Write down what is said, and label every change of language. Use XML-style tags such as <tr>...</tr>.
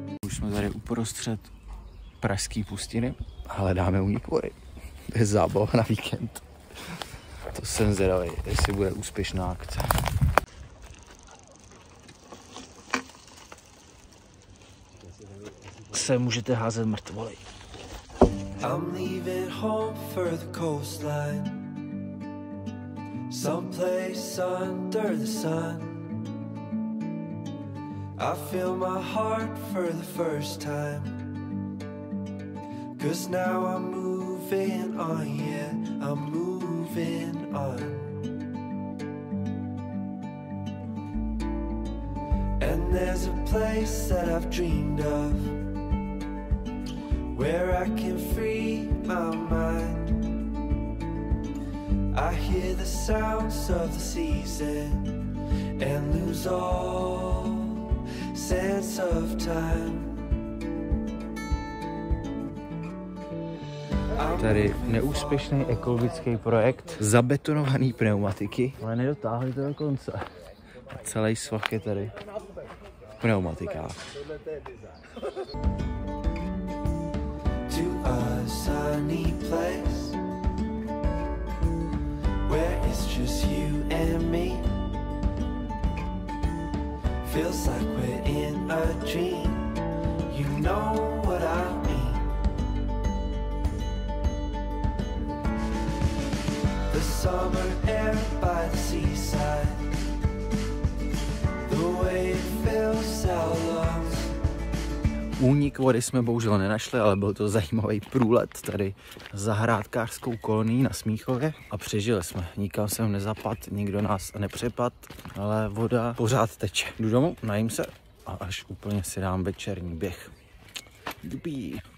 <cs>Jsme tady uprostřed pražské pustiny a hledáme únik vody. To je zábava na víkend. To jsem zvědavý, jestli bude úspěšná akce. Se můžete házet mrtvoly.</cs> <en>I'm leaving home for the coastline. Someplace under the sun. I feel my heart for the first time. 'Cause now I'm moving on, yeah, I'm moving on. And there's a place that I've dreamed of, where I can free my mind. I hear the sounds of the season and lose all sense of time.</en> <cs>Tady neúspěšný ekologický projekt zabetonovaný pneumatiky, ale nedotáhli to do konce. A celý svah je tady v pneumatikách.</cs> <en>To a sunny place where it's just you and me. Feels like we're in a dream, you know what I mean. The summer air by the seaside, the way it fills our lungs.</en> <cs>Únik vody jsme bohužel nenašli, ale byl to zajímavý průlet tady zahrádkářskou kolonii na Smíchově a přežili jsme. Nikam jsem nezapadl, nikdo nás nepřepadl, ale voda pořád teče. Jdu domů, najím se a až úplně si dám večerní běh. Dupí.</cs>